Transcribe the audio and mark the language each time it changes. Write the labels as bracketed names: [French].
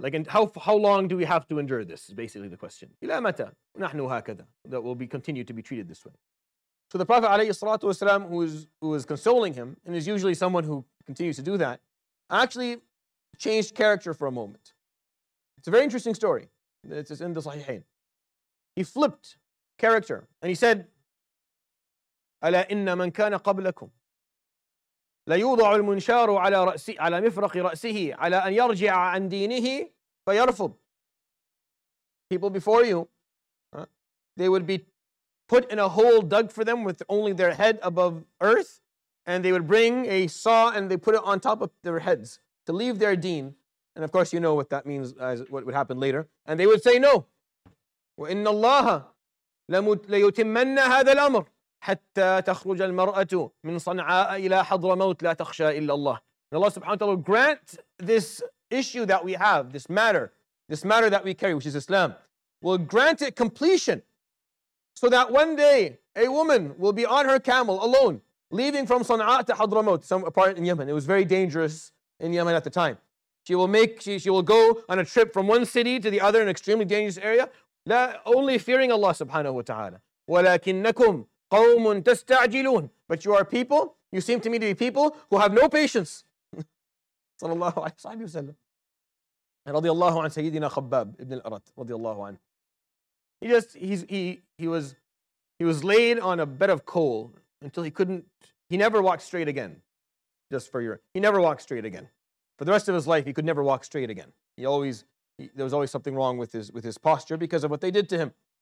[English] Like, how long do we have to endure this? Is basically the question. [Arabic] إِلَى مَتَى نَحْنُ هَكَذَا [English] That will be continued to be treated this way. So the Prophet ﷺ, who is consoling him, and is usually someone who continues to do that, actually changed character for a moment. It's a very interesting story. It's in the Sahihain. He flipped character, and he said, [Arabic] أَلَا إِنَّ مَنْ كَانَ قَبْلَكُمْ ليوضع المنشار على رأسه على مفرق رأسه على أن يرجع عن دينه فيرفض. [English] People before you, they would be put in a hole dug for them with only their head above earth, and they would bring a saw and they put it on top of their heads to leave their deen. And of course, you know what that means, as what would happen later. And they would say no. [Arabic] وإن الله ليتمن هذا الأمر حتى تخرج المرأة من صنعاء إلى حضر موت لا تخشى إلا الله. [English] And Allah subhanahu wa ta'ala will grant this issue that we have, this matter that we carry, which is Islam, will grant it completion so that one day a woman will be on her camel alone, leaving from Sana'a to Hadra Maut, some apart in Yemen. It was very dangerous in Yemen at the time. She will go on a trip from one city to the other, an extremely dangerous area, only fearing Allah subhanahu wa ta'ala. [Arabic] ولكنكم قوم تستعجلون. [English] But you are people, you seem to me to be people who have no patience. [Arabic] صلى الله عليه وسلم. رضي الله عن سيدنا خباب ابن الأرت رضي الله عنه. [English] He was laid on a bed of coal until he couldn't. He never walked straight again. He never walked straight again. For the rest of his life, he could never walk straight again. There was always something wrong with his posture because of what they did to him.